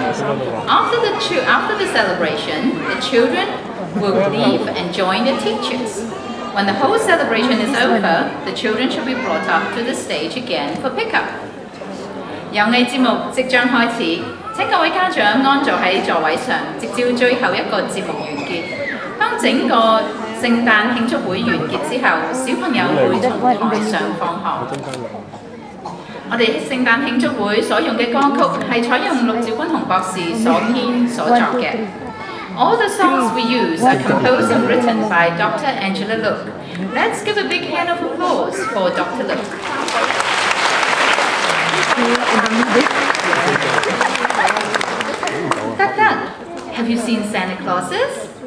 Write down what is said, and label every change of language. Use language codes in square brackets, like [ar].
[en] After the celebration, the children will leave and join the teachers. When the whole celebration is over, the children shall be brought up to the stage again for pickup. [zh] 遊藝節目即將開始, 請各位家長安坐在座位上直至最後一個節目完結。當整個聖誕慶祝會完結之後，小朋友會陸續上放學。我們聖誕慶祝會所用的歌曲是採用陸兆君雄博士所編所作的。 [en] All the songs we use are composed and written by Dr. Angela Look. Let's give a big hand of applause for Dr. Look. Duck Duck, have you seen Santa Clauses?